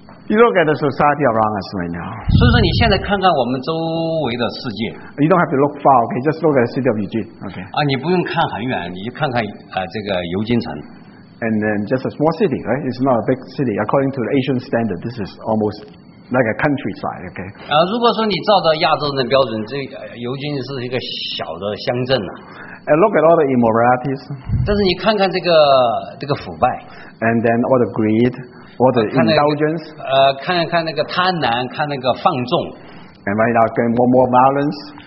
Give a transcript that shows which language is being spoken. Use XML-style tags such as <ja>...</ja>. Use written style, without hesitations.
<en>You look at the society around us right now.</en> <zh>所以说你现在看看我们周围的世界。</zh> <en>You don't have to look far, okay? Just look at the city of Eugene, okay?</en> <zh>你不用看很远，你就看看这个尤金城。</zh> <en>And then just a small city, right? It's not a big city. According to the Asian standard, this is almost. Like a countryside, okay.</en> <zh>如果说你照着亚洲人的标准，这尤金是一个小的乡镇呐。</zh> <en>And look at all the immoralities.</en> <zh>但是你看看这个腐败。</zh> <en>And then all the greed, all the indulgence.</en> <zh>看一看那个贪婪，看那个放纵。</zh> <en>And right now, getting more and more violence.</en>